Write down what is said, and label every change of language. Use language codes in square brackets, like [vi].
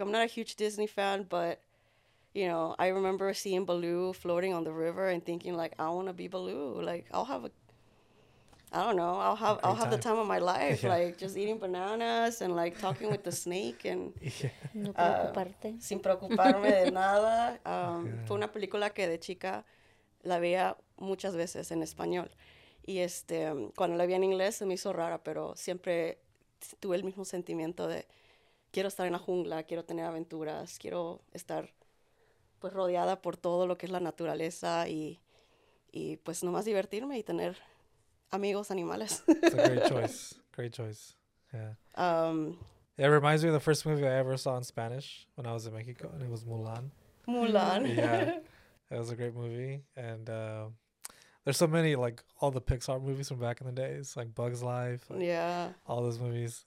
[en] I'm not a huge Disney fan, but... You know, I remember seeing Baloo floating on the river and thinking, like, I want to be Baloo. Like, I'll have the time of my life, yeah. Like, just eating bananas and, like, talking with the snake and... [es] Yeah. No preocuparte. Sin preocuparme de nada. Fue una película que de chica la veía muchas veces en español. Y cuando la vi en inglés se me hizo rara, pero siempre tuve el mismo sentimiento de quiero estar en la jungla, quiero tener aventuras, quiero estar... pues rodeada por todo lo que es la naturaleza y pues nomás divertirme y tener amigos animales. [en] It's a great choice. Great choice. Yeah. It reminds me of the first movie I ever saw in Spanish when I was in Mexico, and it was Mulan. Mulan. Yeah. It was a great movie. And there's so many, like, all the Pixar movies from back in the days, like Bug's Life. Like, yeah. All those movies.